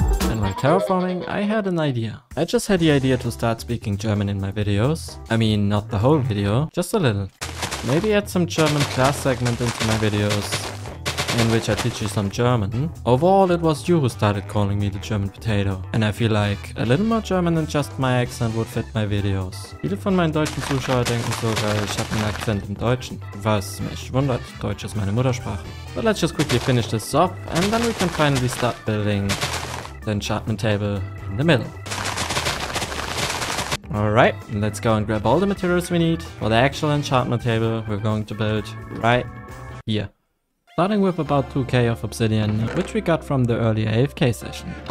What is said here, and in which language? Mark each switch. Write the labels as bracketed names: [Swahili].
[English] And while terraforming, I had an idea. I just had the idea to start speaking German in my videos. I mean, not the whole video, just a little. Maybe add some German class segment into my videos, in which I teach you some German. Overall, it was you who started calling me the German potato, and I feel like a little more German than just my accent would fit my videos. [German] Viele von meinen deutschen Zuschauern denken sogar, ich habe einen Akzent im Deutschen, was mich wundert, Deutsch ist meine Muttersprache. [English] But let's just quickly finish this up, and then we can finally start building the enchantment table in the middle. Alright, let's go and grab all the materials we need for the actual enchantment table we're going to build right here. Starting with about 2k of obsidian, which we got from the earlier AFK session.